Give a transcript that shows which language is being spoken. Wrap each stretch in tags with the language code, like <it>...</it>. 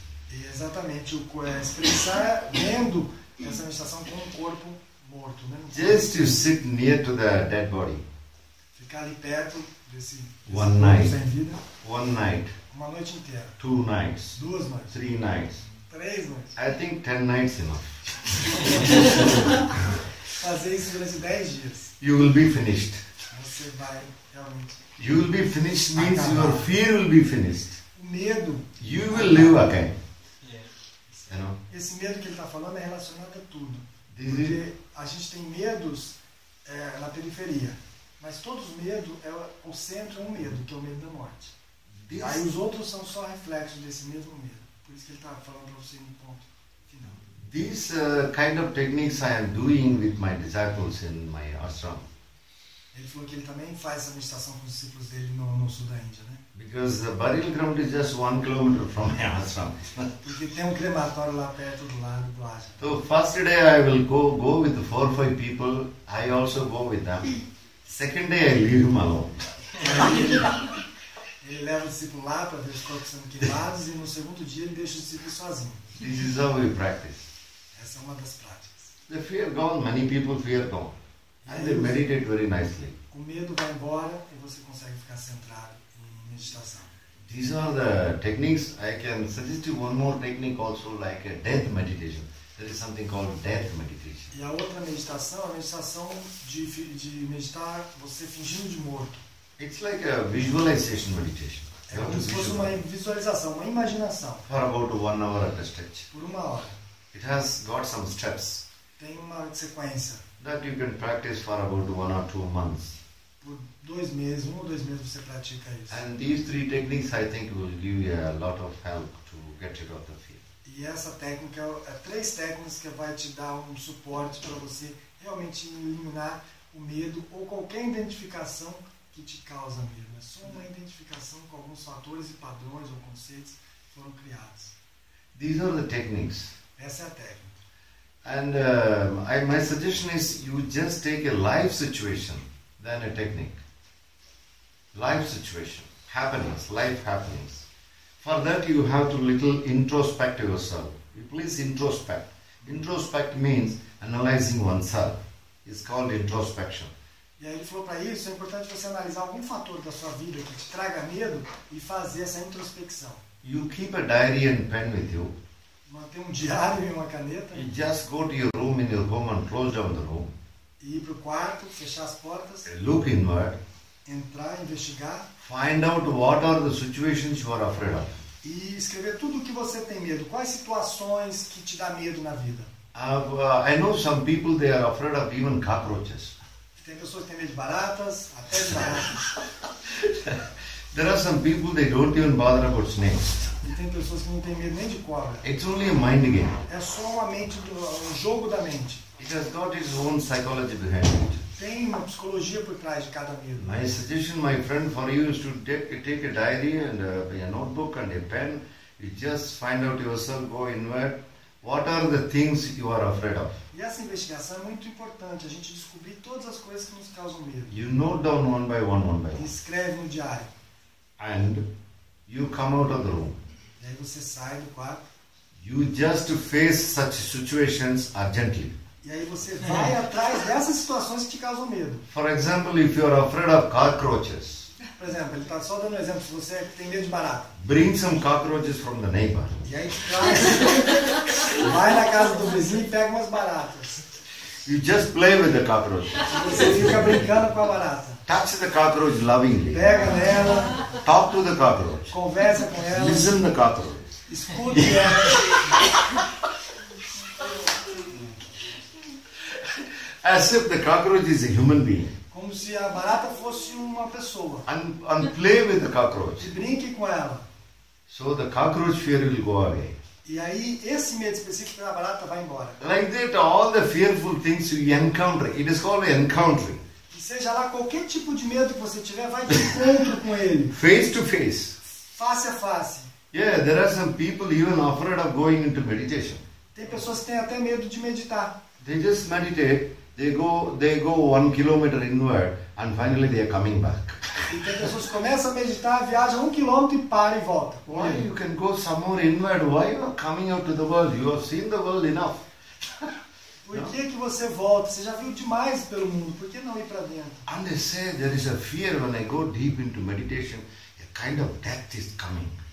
<pt>Exatamente, o é expressar vendo essa meditação com um corpo morto, né?</pt> <en>Just to sit near to the dead body.</en> <pt>Ficar ali perto desse</pt> <en>one night.</en> <pt>Sem vida.</pt> <en>One night.</en> <pt>Uma noite inteira.</pt> <en>Two nights.</en> <pt>Duas noites.</pt> <en>Three nights.</en> <pt>Três noites.</pt> <en>I think 10 nights enough.</en> <pt>Fazer isso durante 10 dias.</pt> <en>You will be finished.</en> <pt>Você vai realmente.</pt> <en>You will be finished means acabar. Your fear will be finished.</en> <pt>O medo.</pt> <en>You will live again.</en> <pt>Esse medo que ele está falando é relacionado a tudo. Porque a gente tem medos na periferia. Mas todos os medos, o centro é um medo, que é o medo da morte. Aí os outros são só reflexos desse mesmo medo. Por isso que ele está falando para você no ponto final.</pt> <en>These kind of techniques I am doing with my disciples in my ashram.</en> <pt>Ele falou que ele também faz a meditação com os discípulos dele no sul da Índia, né?</pt> <en>Because the burial ground is just 1 kilometer from my ashram.</en> <pt>Porque tem um crematório lá perto do lado do ashram.</pt> <en>So first day I will go with 4 or 5 people. I also go with them. Second day I leave him alone.</en> <pt>É Ele leva o discípulo lá para ver os corpos sendo queimados e no segundo dia ele deixa o discípulo sozinho.</pt> <en>This is how we practice.</en> <pt>Essa é uma das práticas.</pt> <en>The fear gone, many people fear gone. And they meditate very nicely.</en> <pt>O medo vai embora e você consegue ficar centrado em meditação.</pt> <en>These are the techniques. I can suggest you one more technique also, like a death meditation. There is something called death meditation.</en> <pt>E a outra meditação, a meditação de meditar você fingindo de morto.</pt> <en>It's like a visualization meditation.</en> <pt>É como se fosse uma visualização, uma imaginação.</pt> <en>For about 1 hour at a stretch.</en> <pt>Por uma hora.</pt> <en>It has got some steps.</en> <pt>Tem uma sequência.</pt> <en>That you can practice for about 1 or 2 months.</en> <pt>Por 2 meses, 1 ou 2 meses você pratica isso.</pt> <en>And these 3 techniques, I think, will give you a lot of help to get rid of the fear.</en> <pt>E essa técnica, é 3 técnicas que vai te dar um suporte para você realmente eliminar o medo ou qualquer identificação que te causa medo. É só uma identificação com alguns fatores e padrões ou conceitos que foram criados.</pt> <en>These are the techniques.</en> <pt>Essa é a técnica.</pt> <en>And my suggestion is you just take a life situation. Then a technique. Life situation. Happenings. Life happenings. For that you have to little introspect yourself. You please introspect. Introspect means analyzing oneself. It's called introspection.</en> <pt>E aí ele falou para isso, é importante você analisar algum fator da sua vida que te traga medo e fazer essa introspecção.</pt> <en>You keep a diary and pen with you.</en> <pt>Mantém um diário e uma caneta.</pt> <en>You just go to your room in your home and close down the room.</en> <pt>E ir para o quarto, fechar as portas.</pt> <en>Look inward.</en> <pt>Entrar, investigar.</pt> <en>Find out what are the situations you are afraid of.</en> <pt>E escrever tudo o que você tem medo. Quais situações que te dá medo na vida?</pt> <en>I know some people, they are afraid of even cockroaches.</en> <pt>Tem pessoas que têm medo de baratas, até de baratas.</pt> <en>There are some people, they don't even bother about snakes.</en> <pt>E tem pessoas que não têm medo nem de cobra.</pt> <en>It's only a mind game.</en> <pt>É só uma mente, um jogo da mente.</pt> <en>It has got its own psychology behind it.</en> <pt>Tem uma psicologia por trás de cada medo.</pt> <en>My suggestion, my friend, for you is to take a diary and a notebook and a pen. You just find out yourself, go inward. What are the things you are afraid of?</en> <pt>E essa investigação é muito importante. A gente descobrir todas as coisas que nos causam medo.</pt> <en>You note down one by one.</en> <pt>Escreve no diário.</pt> <en>And you come out of the room.</en> <pt>E aí você sai do quarto.</pt> <en>You just face such situations urgently.</en> <pt>E aí você vai atrás dessas situações que te causam medo.</pt> <en>For example, if you are afraid of cockroaches.</en> <pt>Por exemplo, ele está só dando um exemplo. Se você tem medo de barata.</pt> <en>Bring some cockroaches from the neighbor.</en> <pt>E aí traz. Vai na casa do vizinho e pega umas baratas.</pt> <en>You just play with the cockroach.</en> <pt>Você fica brincando com a barata.</pt> <en>Touch the cockroach lovingly.</en> <pt>Pega nela.</pt> <en>Talk to the cockroach.</en> <pt>Conversa com ela.</pt> <en>Listen to the cockroach.</en> <pt>Escute ela.</pt> <en>As if the cockroach is a human being.</en> <pt>Como se a barata fosse uma pessoa.</pt> <en>And play with the cockroach.</en> <pt>E brinque com ela.</pt> <en>So the cockroach fear will go away.</en> <pt>E aí esse medo específico da barata vai embora.</pt> <en>Like that, all the fearful things you encounter, it is called encountering.</en> <pt>E seja lá qualquer tipo de medo que você tiver, vai de encontro com ele.</pt> <en>Face to face.</en> <pt>Face a face.</pt> <en>Yeah, there are some people even afraid of going into meditation.</en> <pt>Tem pessoas que têm até medo de meditar.</pt> <en>They just meditate. They go 1 kilometer inward and finally they are coming back.</en> <pt>Então as pessoas começam a meditar, viajam 1 quilômetro e param e volta.</pt> <en>Why you can go somewhere inward? Why you are coming out to the world? You have seen the world enough.</en> <pt>Por que que você volta? Você já viu demais pelo mundo. Por que não ir para dentro?</pt> <en>And they say there is a fear when I go deep into meditation, a kind of death is coming.</en>